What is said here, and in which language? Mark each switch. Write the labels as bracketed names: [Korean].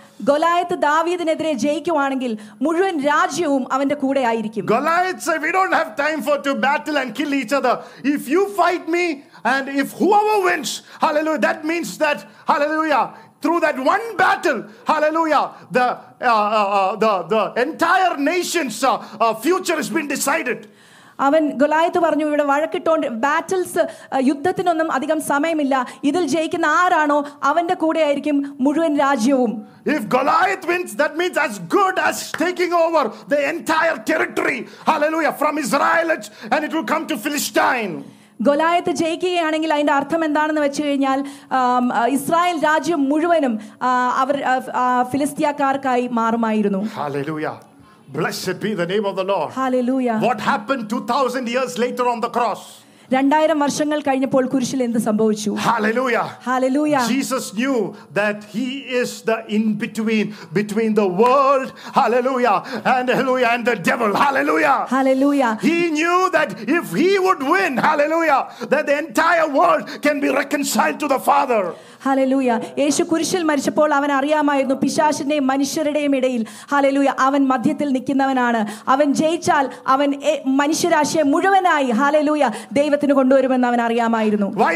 [Malayalam] ഗൊലായത്ത് ദാവീദിനെതിരെ ജയിക്കുകയാണെങ്കിൽ മുഴുവൻ രാജ്യവും അവന്റെ കൂടെ ആയിരിക്കും. [English] Goliath said, we don't have time for to battle and kill each other. If you fight me, and if whoever wins, hallelujah, that means that, hallelujah, through that one battle, hallelujah, the entire nation's future has been decided. [Malayalam] അവൻ ഗൊലായത്ത് പറഞ്ഞു, ഇവിടെ വഴക്കിട്ടോണ്ട് battles യുദ്ധത്തിനൊന്നും അധികം സമയമില്ല, ഇതിൽ ജയിക്കുന്ന ആരാണോ അവന്റെ കൂടെ ആയിരിക്കും മുഴുവൻ രാജ്യവും. [English] If Goliath wins, that means as good as taking over the entire territory, hallelujah, from Israelites, and it will come to Philistine. [Malayalam] ഗൊലായത്ത് ജയിക്കുകയാണെങ്കിൽ അതിന്റെ അർത്ഥം എന്താണെന്ന് വെച്ചു കഴിഞ്ഞാൽ ഇസ്രായേൽ രാജ്യം മുഴുവനും അവർ ഫിലിസ്ത്യാക്കാർക്കായി മാറുമായിരുന്നു. [English] Hallelujah. Blessed be the name of the Lord. Hallelujah. What happened 2000 years later on the cross? [Malayalam] 2000 വർഷങ്ങൾ കഴിഞ്ഞപ്പോൾ കുരിശിൽ എന്ത് സംഭവിച്ചു? [English] Hallelujah. Hallelujah. Jesus knew that he is the in between the world, hallelujah, and hallelujah and the devil. Hallelujah. Hallelujah. He knew that if he would win, hallelujah, that the entire world can be reconciled to the Father. [Malayalam] Hallelujah. യേശു കുരിശിൽ മരിച്ചപ്പോൾ അവൻ അറിയാമായിരുന്നു പിശാചിന്റെയും മനുഷ്യരുടെയും ഇടയിൽ, hallelujah, അവൻ മധ്യത്തിൽ നിൽക്കുന്നവനാണ്. അവൻ ജയിച്ചാൽ അവൻ മനുഷ്യരാശിയെ മുഴുവനായി, ഹാലലൂയ, ദൈവത്തിന് കൊണ്ടുവരുമെന്ന് അവൻ അറിയാമായിരുന്നു.